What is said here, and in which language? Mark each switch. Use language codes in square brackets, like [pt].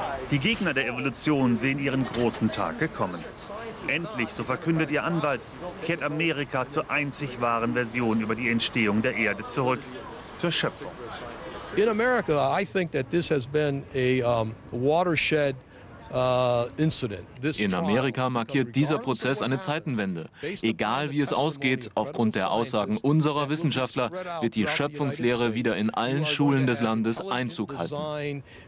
[de] Die Gegner der Evolution sehen ihren großen Tag gekommen. Endlich, so verkündet ihr Anwalt, kehrt Amerika zur einzig wahren Version über die Entstehung der Erde zurück, zur Schöpfung. [en] In America, I think that this has been a watershed. [de] In Amerika markiert dieser Prozess eine Zeitenwende. Egal wie es ausgeht, aufgrund der Aussagen unserer Wissenschaftler, wird die Schöpfungslehre wieder in allen Schulen des Landes Einzug halten.